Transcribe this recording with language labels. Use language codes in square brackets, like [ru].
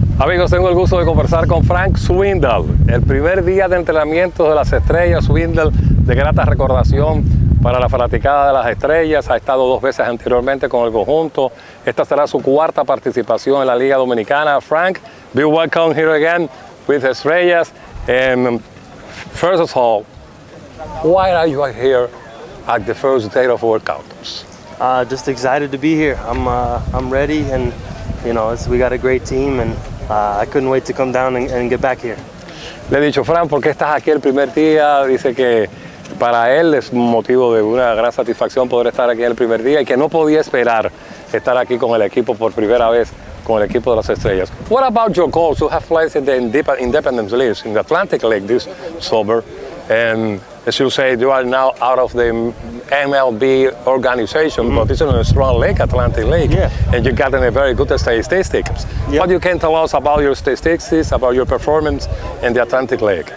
[es] Amigos, tengo el gusto de conversar con Frank Swindle. El primer día de entrenamiento de las estrellas, Swindle, de grata recordación para la fanaticada de las estrellas. Ha estado dos veces anteriormente con el conjunto. Esta será su cuarta participación en la Liga Dominicana. [en] Frank, be welcome here again with Estrellas. And first of all, why are you here at the first day of workouts? Just excited to be here. I'm ready, and you know, we got a great team, and I couldn't wait to come down and get back here. [es] Le he dicho, Fran, ¿por qué estás aquí el primer día? Dice que para él es un motivo de una gran satisfacción poder estar aquí el primer día y que no podía esperar estar aquí con el equipo por primera vez con el equipo de las estrellas. [en] What about your goals? You have played in the Independence League, in the Atlantic League this summer, and as you say, you are now out of the MLB organization, mm-hmm. but it's in a strong league, Atlantic League, yeah. And you've gotten a very good statistics. Yep. What you can tell us about your statistics, about your performance in the Atlantic League?